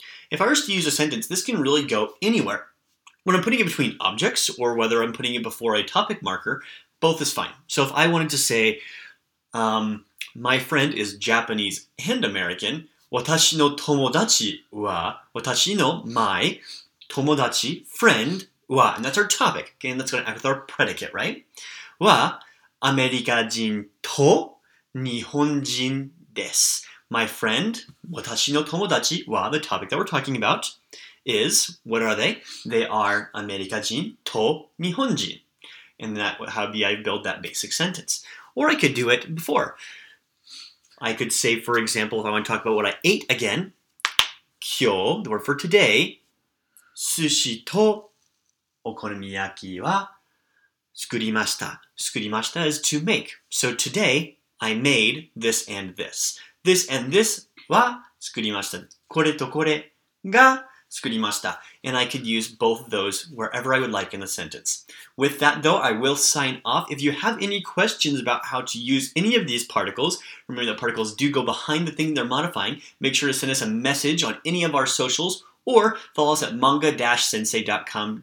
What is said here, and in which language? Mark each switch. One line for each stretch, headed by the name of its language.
English: If I were to use a sentence, this can really go anywhere. When I'm putting it between objects or whether I'm putting it before a topic marker, both is fine. So if I wanted to say, my friend is Japanese and American,
Japanese: 私の友達は、
English: my friend は, and that's our topic. Again, that's going to act with our predicate, right?
Japanese: は、 アメリカ人と日本人です。
English: My friend,
Japanese: 私の友達は,
English: the topic that we're talking about, is, what are they? They are
Japanese: アメリカ人と日本人.
English: And that would be I build that basic sentence. Or I could do it before. I could say, for example, if I want to talk about what I ate again, 今日, the word for today,
Japanese: 寿司とお好み焼きは作りました. 作りました
English: is to make. So today, I made this and this. This and this wa
Japanese: 作りました. これとこれが作りました.
English: And I could use both of those wherever I would like in the sentence. With that though, I will sign off. If you have any questions about how to use any of these particles, remember that particles do go behind the thing they're modifying, make sure to send us a message on any of our socials or follow us at manga-sensei.com.